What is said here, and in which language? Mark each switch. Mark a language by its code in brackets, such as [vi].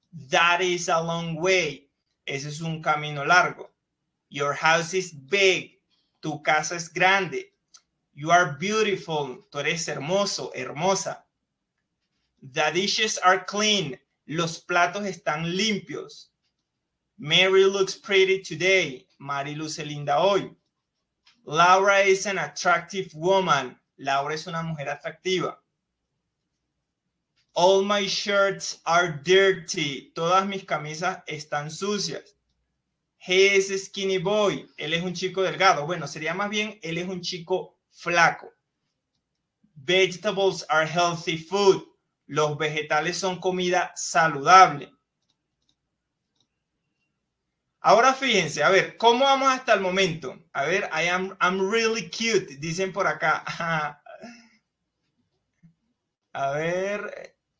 [en] That is a long way. [es] Ese es un camino largo. [en] Your house is big. [es] Tu casa es grande. [en] You are beautiful. [es] Tú eres hermoso, hermosa. [en] The dishes are clean. [es] Los platos están limpios. [en] Mary looks pretty today. [es] Mary luce linda hoy. [en] Laura is an attractive woman. [es] Laura es una mujer atractiva. [en] All my shirts are dirty. [es] Todas mis camisas están sucias. [en] He is a skinny boy. [es] Él es un chico delgado. Bueno, sería más bien, él es un chico flaco. [en] Vegetables are healthy food. [es] Los vegetales son comida saludable. Ahora fíjense, a ver, ¿cómo vamos hasta el momento? A ver, [en] I'm really cute, [es] dicen por acá. A ver.